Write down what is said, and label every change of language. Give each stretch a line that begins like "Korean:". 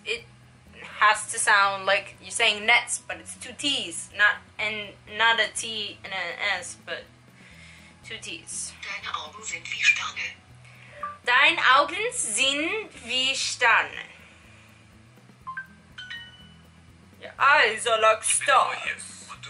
English: It has to sound like you're saying nets, but it's two T's. Not a T and an S, but two T's.
German: Deine Augen sind wie Sterne. Deine Augen sind wie Sterne.
English: Your eyes are like stars.